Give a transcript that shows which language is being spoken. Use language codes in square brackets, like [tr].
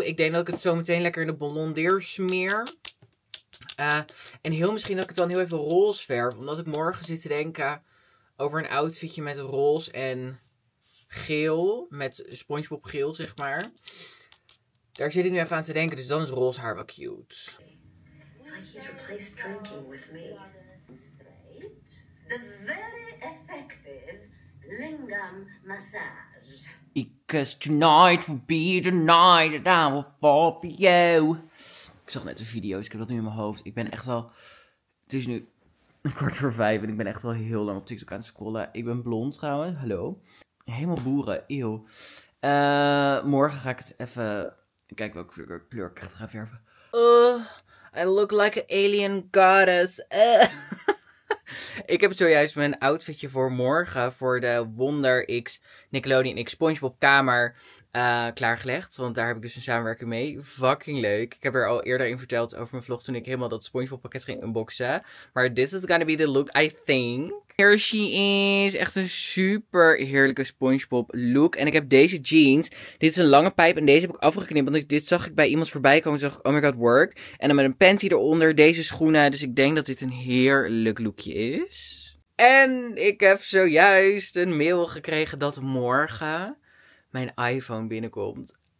[nl] Ik denk dat ik het zo meteen lekker in de blondeer smeer. En heel misschien dat ik het dan heel even roze verf. Omdat ik morgen zit te denken over een outfitje met roze en geel. Met SpongeBob geel, zeg maar. Daar zit ik nu even aan te denken. Dus dan is roze haar wel cute. [en] Like he's replaced drinking with me. The very effective lingam massage. Because tonight will be the night that I will fall for you. [nl] Ik zag net de video's, ik heb dat nu in mijn hoofd. Ik ben echt al, het is nu 4:15 en ik ben echt al heel lang op TikTok aan het scrollen. Ik ben blond trouwens, hallo. Helemaal boeren, eeuw. Morgen ga ik het even kijken welke kleur ik echt ga verven. [en] I look like an alien goddess. [nl] Ik heb zojuist mijn outfitje voor morgen voor de Wonder X Nickelodeon X SpongeBob kamer klaargelegd. Want daar heb ik dus een samenwerking mee. Fucking leuk. Ik heb er al eerder in verteld over mijn vlog toen ik helemaal dat SpongeBob pakket ging unboxen. Maar [en] this is gonna be the look, I think. Here she is. [nl] Echt een super heerlijke SpongeBob look. En ik heb deze jeans. Dit is een lange pijp en deze heb ik afgeknipt. Want dit zag ik bij iemand voorbij komen. Zag ik, [en] oh my god, work. [nl] En dan met een panty eronder. Deze schoenen. Dus ik denk dat dit een heerlijk lookje is. En ik heb zojuist een mail gekregen dat morgen mijn iPhone binnenkomt.